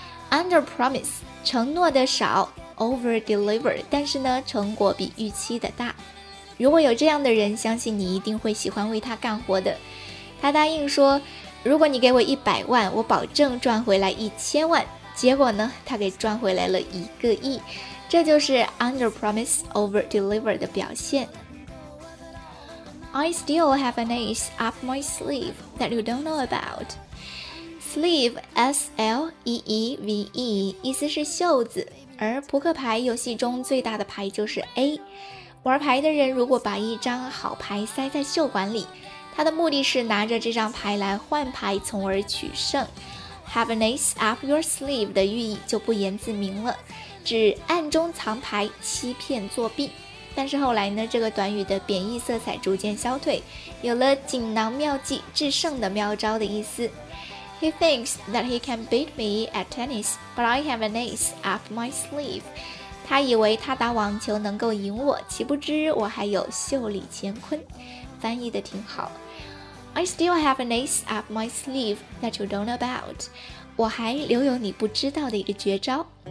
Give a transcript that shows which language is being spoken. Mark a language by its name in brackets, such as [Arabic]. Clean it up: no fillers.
[English] Under promise, [Chinese] 承诺的少。 [English] Over deliver， [Chinese] 但是呢，成果比预期的大。如果有这样的人，相信你一定会喜欢为他干活的。他答应说，如果你给我100万，我保证赚回来1000万。结果呢，他给赚回来了1亿。这就是 [English] under promise over deliver [Chinese] 的表现。 [English] I still have an ace up my sleeve that you don't know about. [Chinese] Sleeve, S-L-E-E-V-E， 意思是袖子。而扑克牌游戏中最大的牌就是 A， 玩牌的人如果把一张好牌塞在袖管里，他的目的是拿着这张牌来换牌，从而取胜。 [English] Have an ace up your sleeve [Chinese] 的寓意就不言自明了，指暗中藏牌，欺骗作弊。但是后来呢，这个短语的贬义色彩逐渐消退，有了锦囊妙计，制胜的妙招的意思。 [English] He thinks that he can beat me at tennis, but I have an ace up my sleeve. [Chinese] 他以为他打网球能够赢我，岂不知我还有袖里乾坤。翻译的挺好。 [English] I still have an ace up my sleeve that you don't know about. [Chinese] 我还留有你不知道的一个绝招。